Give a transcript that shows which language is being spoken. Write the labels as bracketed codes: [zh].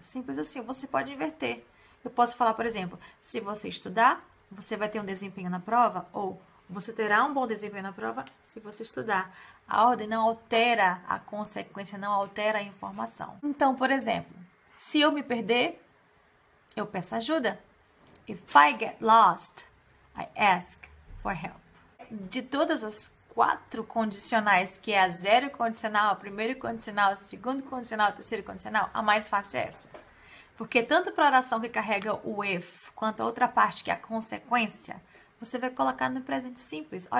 [pt] Simples assim, você pode inverter. Eu posso falar, por exemplo, se você estudar, você vai ter um desempenho na prova, ou você terá um bom desempenho na prova se você estudar. A ordem não altera a consequência, não altera a informação. Então, por exemplo, se eu me perder, eu peço ajuda. [en] If I get lost, I ask for help. [pt] De todas as quatro condicionais, que é a zero condicional, a primeiro condicional, a segundo condicional, a terceiro condicional, a mais fácil é essa. Porque tanto para a oração que carrega o if, quanto a outra parte, que é a consequência, você vai colocar no presente simples.